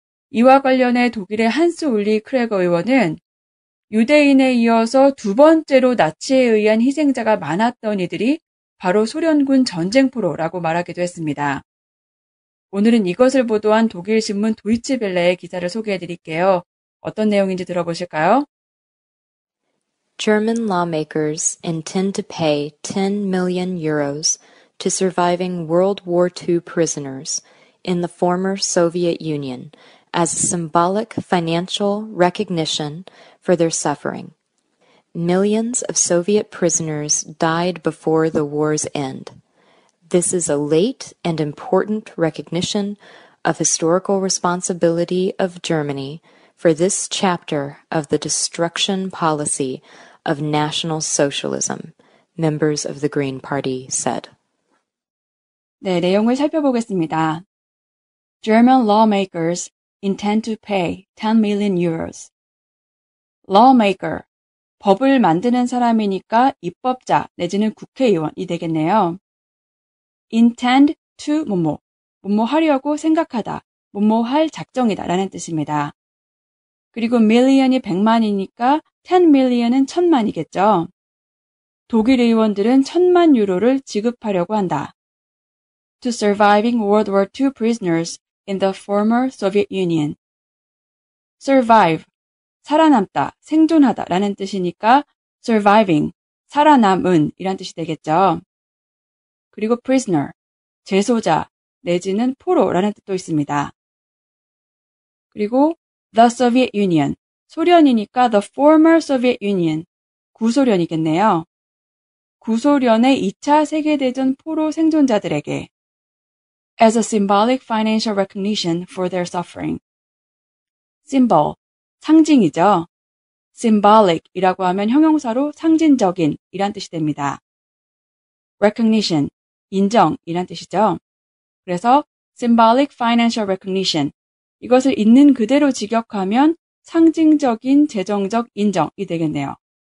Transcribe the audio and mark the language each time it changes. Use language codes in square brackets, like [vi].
[ko] 이와 관련해 독일의 한스 울리 크레거 의원은 유대인에 이어서 두 번째로 나치에 의한 희생자가 많았던 이들이 바로 소련군 전쟁포로라고 말하기도 했습니다. 오늘은 이것을 보도한 독일 신문 도이치벨레의 기사를 소개해드릴게요. 어떤 내용인지 들어보실까요? [en] German lawmakers intend to pay 10 million euros to surviving World War II prisoners in the former Soviet Union as a symbolic financial recognition for their suffering. Millions of Soviet prisoners died before the war's end. This is a late and important recognition of historical responsibility of Germany for this chapter of the destruction policy of National Socialism, members of the Green Party said. [ko] 네, 내용을 살펴보겠습니다. [en] German lawmakers intend to pay 10 million euros. [ko] Lawmaker, 법을 만드는 사람이니까 입법자 내지는 국회의원이 되겠네요. Intend to 뭐뭐, 뭐뭐 하려고 생각하다, 뭐뭐 할 작정이다 라는 뜻입니다. 그리고 million이 100만이니까 10 million은 1000만이겠죠. 독일 의원들은 1000만 유로를 지급하려고 한다. [en] To surviving World War II prisoners in the former Soviet Union. [ko] Survive, 살아남다, 생존하다 라는 뜻이니까 surviving, 살아남은 이란 뜻이 되겠죠. 그리고 prisoner, 재소자, 내지는 포로라는 뜻도 있습니다. 그리고 The Soviet Union, 소련이니까 The Former Soviet Union, 구소련이겠네요. 구소련의 2차 세계대전 포로 생존자들에게 [en] As a symbolic financial recognition for their suffering. [ko] Symbol, 상징이죠. Symbolic이라고 하면 형용사로 상징적인 이란 뜻이 됩니다. Recognition, 인정 이란 뜻이죠. 그래서 symbolic financial recognition, 이것을 있는 그대로 직역하면 상징적인 재정적 인정이 되겠네요.